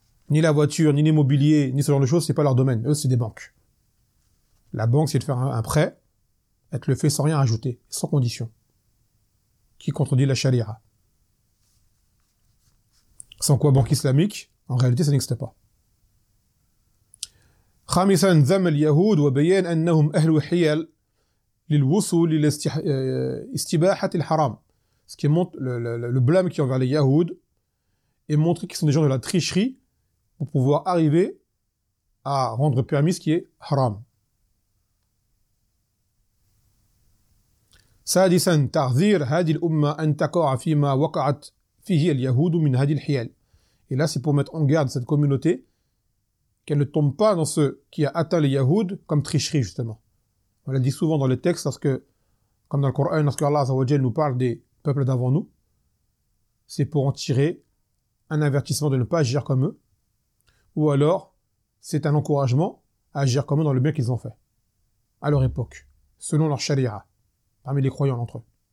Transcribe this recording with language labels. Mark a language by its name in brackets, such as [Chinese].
[French] Ni la voiture, ni l'immobilier, ni ce genre de choses, c'est pas leur domaine. Eux, c'est des banques. La banque, c'est de faire un prêt, elle te le fait sans rien ajouter, sans condition. Qui contredit la charia. Sans quoi, banque islamique, en réalité, ça n'existe pas. [Arabic] خامساً ذم اليهود وبيان أنهم أهل حيل للوصول إلى استباحة الحرام. [French] Ce qui montre le blâme qui est envers les Yahoud et montre qu'ils sont des gens de la tricherie pour pouvoir arriver à rendre permis ce qui est haram. [Arabic] سادساً تحذير هذه الأمة أن تقع فيما وقعت فيه اليهود من هذه الحيل. [French] Et là, c'est pour mettre en garde cette communauté qu'elle ne tombe pas dans ce qui a atteint les Yahoud comme tricherie, justement. On l'a dit souvent dans les textes, parce que, comme dans le Coran, lorsque Allah Azawajal nous parle des peuples d'avant nous, c'est pour en tirer un avertissement de ne pas agir comme eux, ou alors c'est un encouragement à agir comme eux dans le bien qu'ils ont fait, à leur époque, selon leur sharia, parmi les croyants entre eux.